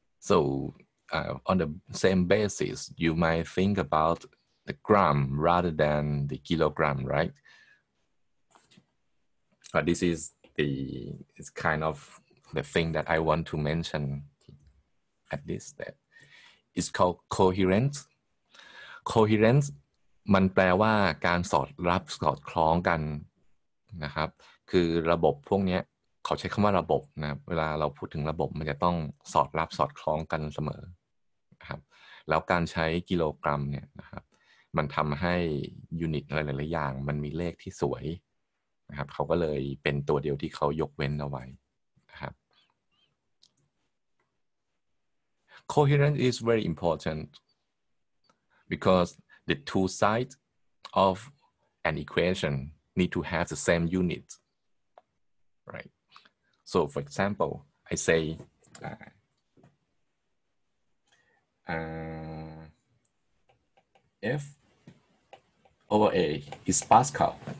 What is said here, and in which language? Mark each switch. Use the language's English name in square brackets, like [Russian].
[English] So on the same basis, you might think about the gram rather than the kilogram, right? But this is it's kind of the thing that I want to mention at this step. It's called coherence. [Thai] Coherence, มันแปลว่าการสอดรับสอดคล้องกันนะครับคือระบบพวกนี้เขาใช้คำว่าระบบนะเวลาเราพูดถึงระบบมันจะต้องสอดรับสอดคล้องกันเสมอนะครับแล้วการใช้กิโลกรัมเนี่ยนะครับมันทำให้ยูนิตอะไรหลายๆอย่างมันมีเลขที่สวย นะครับเขาก็เลยเป็นตัวเดียวที่เขายกเว้นเอาไว้นะครับ [English] coherence is very important because the two sides of an equation need to have the same unit, right? So for example, I say F over A is Pascal.